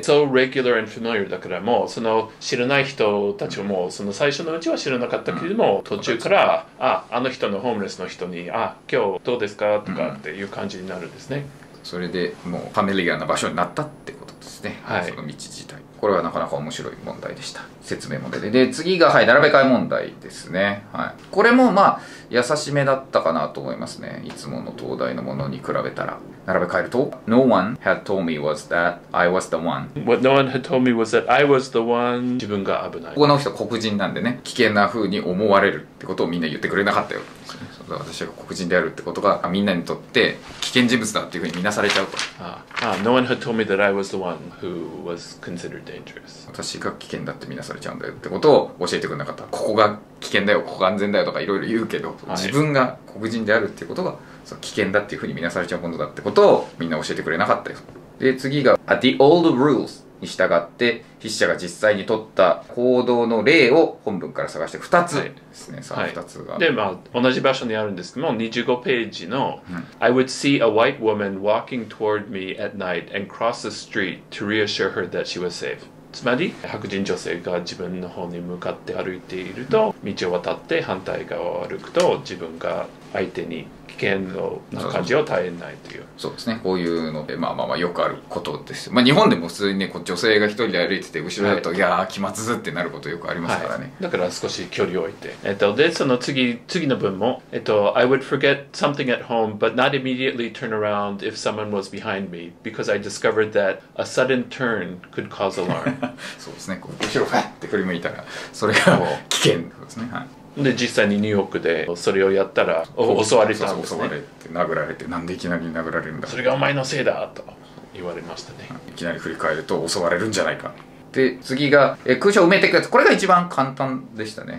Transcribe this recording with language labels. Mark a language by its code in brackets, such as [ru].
[en] So regular and familiar [ja] だからもうその知らない人たちもその最初のうちは知らなかったけれども、うん、途中からあの人のホームレスの人にあ今日どうですかとかっていう感じになるんですね、うん、それでもうファミリアな場所になったってことですね、はい、その道自体これはなかなか面白い問題でした。説明も出て。で、次が、はい、並べ替え問題ですね。はい。これも、まあ、優しめだったかなと思いますね。いつもの東大のものに比べたら。 [en] 並べ替えると、No one had told me was that I was the one. What no one had told me was that I was the one. [ja] 自分が危ない。この人、黒人なんでね、危険な風に思われるってことをみんな言ってくれなかったよ。私が黒人であるってことがみんなにとって危険人物だっていうふうに見なされちゃうと。 [en] No one had told me that I was the one who was considered dangerous. [ja] 私が危険だって見なされちゃうんだよってことを教えてくれなかった。ここが危険だよ、ここが安全だよとかいろいろ言うけど、はい、自分が黒人であるってことがその危険だっていうふうに見なされちゃうものだってことをみんな教えてくれなかったよ。で、次が [en] The old rules [ja] に従って筆者が実際に取った行動の例を本文から探して2つですね、はい、その2つが、はい、で、まあ、同じ場所にあるんですけども25ページの、うん、 [en] I would see a white woman walking toward me at night and cross the street to reassure her that she was safe。 [ja] つまり白人女性が自分の方に向かって歩いていると、うん、道を渡って反対側を歩くと自分が相手に危険の感じを耐えないという。そうですね、こういうのでまあまあまあよくあることです。まあ日本でも普通にねこう女性が一人で歩いてて後ろだと、はい、いやー気まずってなることよくありますからね、はい、だから少し距離を置いて、でその次の文も [en] I would forget something at home but not immediately turn around if someone was behind me because I discovered that a sudden turn could cause alarm [ja] そうですね、こう後ろファって振り向いたらそれが危険ですね、はい。で実際にニューヨークでそれをやったら襲われたんですね。襲われて殴られて、なんでいきなり殴られるんだ、それがお前のせいだと言われましたね、うん、いきなり振り返ると襲われるんじゃないか。で次が空所埋めていくやつ、これが一番簡単でしたね。